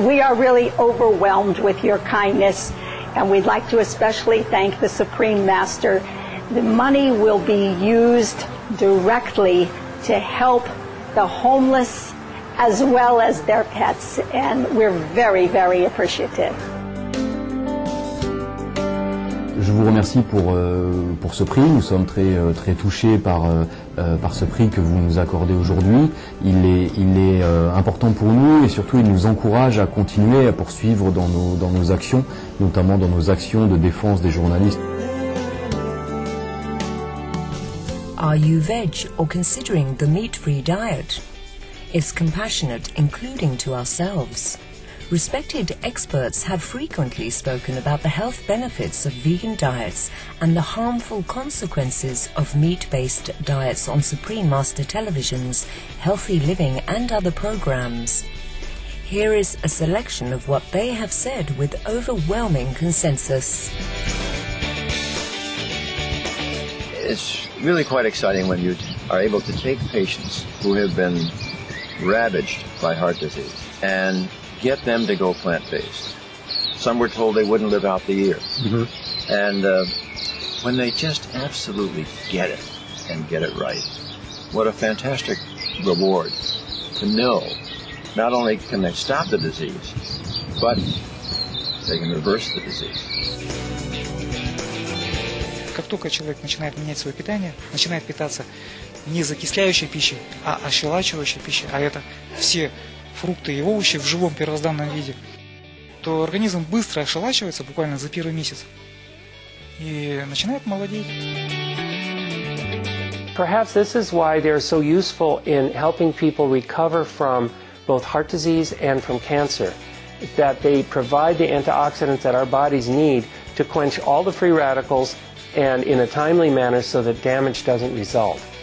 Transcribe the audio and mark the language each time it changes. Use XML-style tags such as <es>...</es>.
<en>We are really overwhelmed with your kindness, and we'd like to especially thank the Supreme Master. The money will be used directly to help the homeless as well as their pets, and we're very, very appreciative.</en> <fr>je vous remercie pour ce prix. Nous sommes très, très touchés par ce prix que vous nous accordez aujourd'hui. Il est important pour nous et surtout il nous encourage à continuer à poursuivre dans nos actions, notamment dans nos actions de défense des journalistes.</fr> <en>Are you veg or considering the meat-free diet? It's compassionate, including to ourselves. Respected experts have frequently spoken about the health benefits of vegan diets and the harmful consequences of meat-based diets on Supreme Master Television's Healthy Living and other programs. Here is a selection of what they have said with overwhelming consensus. It's really quite exciting when you are able to take patients who have been ravaged by heart disease and get them to go plant-based. Some were told they wouldn't live out the year. Mm-hmm. And when they just absolutely get it and get it right, what a fantastic reward to know not only can they stop the disease, but they can reverse the disease.</en> <ru>Как только человек начинает менять свое питание, начинает питаться не закисляющей пищей, а ощелачивающей пищей, а это все фрукты и овощи в живом первозданном виде, то организм быстро ощелачивается, буквально за первый месяц, и начинает молодеть.</ru> <en>Perhaps this is why they are so useful in helping people recover from both heart disease and from cancer, that they provide the antioxidants that our bodies need to quench all the free radicals and in a timely manner so that damage doesn't result.</en>